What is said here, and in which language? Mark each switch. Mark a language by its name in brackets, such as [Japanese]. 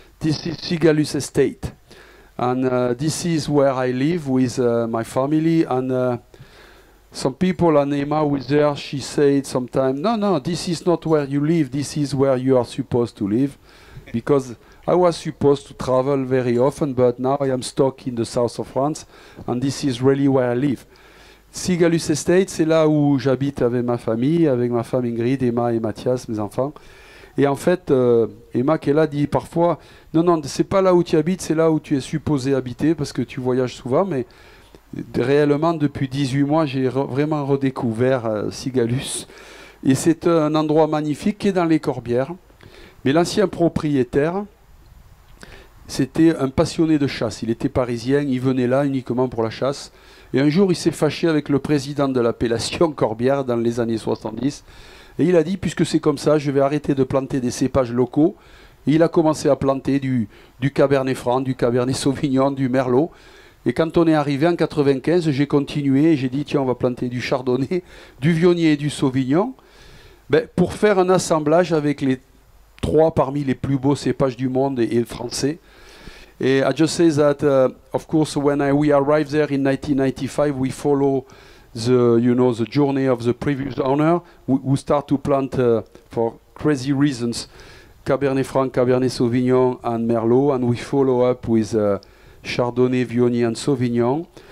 [English] This is Cigalus Estate. And this is where I live with my family. And some people, and Emma was there, she said sometime, no, this is not where you live. This is where you are supposed to live. Because I was supposed to travel very often, but now I am stuck in the south of France. And this is really where I live. [French] Cigalus Estate, c'est là où j'habite avec ma famille, avec ma femme Ingrid, Emma et Mathias, mes enfants. Et en fait, Emma qui est là dit parfois, non, c'est pas là où tu habites, c'est là où tu es supposé habiter parce que tu voyages souvent. Mais réellement, depuis 18 mois, j'ai re vraiment redécouvert Cigalus. Et c'est un endroit magnifique qui est dans les Corbières. Mais l'ancien propriétaire, c'était un passionné de chasse. Il était parisien, il venait là uniquement pour la chasse. Et un jour, il s'est fâché avec le président de l'appellation Corbière dans les années 70. Et il a dit, puisque c'est comme ça, je vais arrêter de planter des cépages locaux. Et il a commencé à planter du Cabernet Franc, du Cabernet Sauvignon, du Merlot. Et quand on est arrivé en 95, j'ai continué, j'ai dit, tiens, on va planter du chardonnay, du viognier et du sauvignon, ben, pour faire un assemblage avec les trois parmi les plus beaux cépages du monde et français. [English] Et I just say that, of course, when we arrived there in 1995, we follow the, you know, the journey of the previous owner, who start to plant for crazy reasons, Cabernet Franc, Cabernet Sauvignon, and Merlot, and we follow up with Chardonnay, Viognier, and Sauvignon.